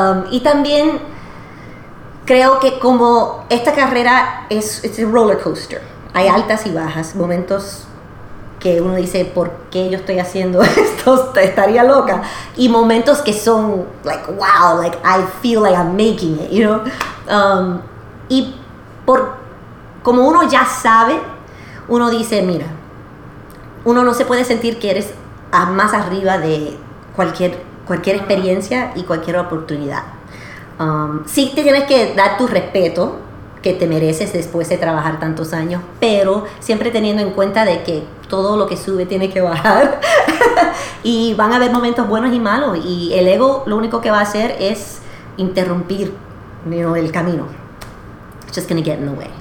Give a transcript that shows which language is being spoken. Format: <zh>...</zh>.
<es>Y también creo que como esta carrera es un roller coaster, hay altas y bajas, momentos que uno dice, ¿por qué yo estoy haciendo esto? Estaría loca. Y momentos que son,</es> <en>like, wow, like, I feel like I'm making it, you know?</en> <es>Como uno ya sabe, uno dice, mira, uno no se puede sentir que eres más arriba de cualquier experiencia y cualquier oportunidad. Sí te tienes que dar tu respeto, que te mereces después de trabajar tantos años, pero siempre teniendo en cuenta de que todo lo que sube tiene que bajar y van a haber momentos buenos y malos, y el ego lo único que va a hacer es interrumpir, you know, el camino.</es> <en>It's just gonna get in the way.</en>